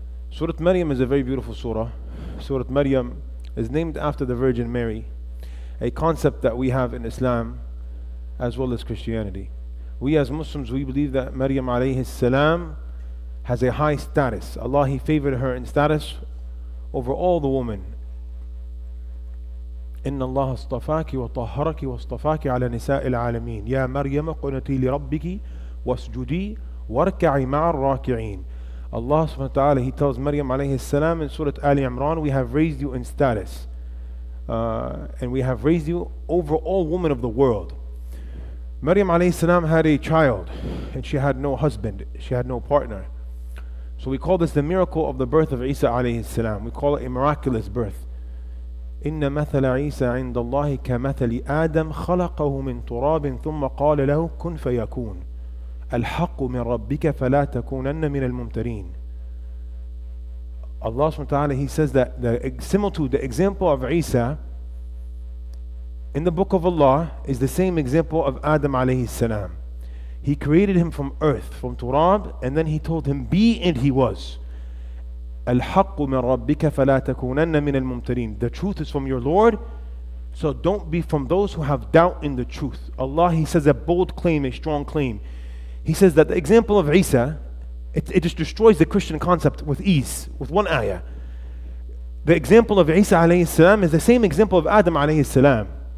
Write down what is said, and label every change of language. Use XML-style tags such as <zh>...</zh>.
<en>Surah Maryam is a very beautiful surah. Surah Maryam is named after the Virgin Mary, a concept that we have in Islam as well as Christianity. We as Muslims, we believe that Maryam alayhi salam has a high status. Allah, He favored her in status over all the women.</en> <ar>إن الله اصطفاك وطهرك واصطفاك على نساء العالمين يا مريم قنتي لربك واسجدي واركعي مع الراكعين.</ar> <en>Allah subhanahu wa ta'ala, He tells Maryam alayhi salam in Surah Ali Imran, we have raised you in status and we have raised you over all women of the world. Maryam alayhi salam had a child and she had no husband, she had no partner. So we call this the miracle of the birth of Isa alayhi salam. We call it a miraculous birth.</en> <ar>إن مثل عيسى عند الله كمثل آدم خلقه من تراب ثم قال له كن فيكون الحق من ربك فلا تكونن من الممترين.</ar> <en>Allah subhanahu wa ta'ala, He says that the similitude, the example of Isa in the book of Allah is the same example of Adam alayhi salam. He created him from earth, from turab, and then He told him, be, and he was.</en> <ar>الحق من ربك فلا تكونن من الممترين.</ar> <en>The truth is from your Lord, so don't be from those who have doubt in the truth. Allah, He says a bold claim, a strong claim. He says that the example of Isa, it just destroys the Christian concept with ease, with one ayah. The example of Isa alayhi salam is the same example of Adam alayhi salam.</en>